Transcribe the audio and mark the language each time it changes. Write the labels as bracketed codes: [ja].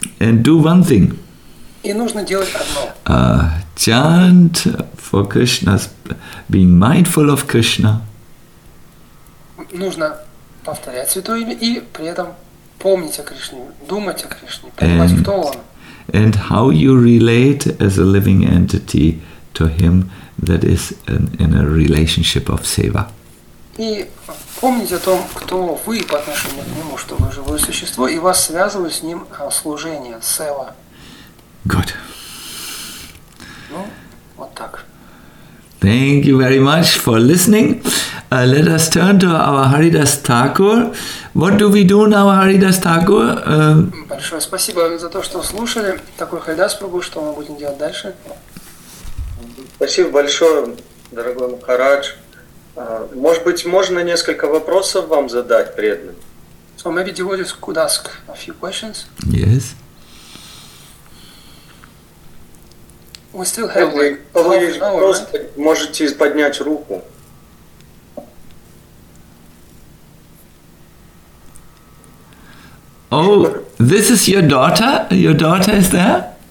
[en] And do one thing. [ru] И нужно делать одно. [en] Chant for Krishna, being mindful of Krishna. [ru] Нужно повторять святое имя и при этом помнить о Кришне, думать о Кришне, понимать, кто Он. [en] And how you relate as a living entity to Him that is in a relationship of seva. [ru] И помнить о том, кто вы по отношению к Нему, что вы живое существо, и вас связывает с Ним служение, сева. [en] Good. [ru] Ну, вот так. [en] Thank you very much for listening. Let us turn to our Haridas Thakur. What do we do in our Haridas Thakur? [ru] Большое спасибо за то, что слушали. Такой Харидас Прабу, что мы будем делать дальше? Спасибо большое, дорогой Махарадж. Может быть, можно несколько вопросов вам задать, преданным? [en] So maybe devotees could ask a few questions? Yes. We still have [ru] вы просто можете поднять руку. [en] Oh, this is your daughter? Your daughter is there?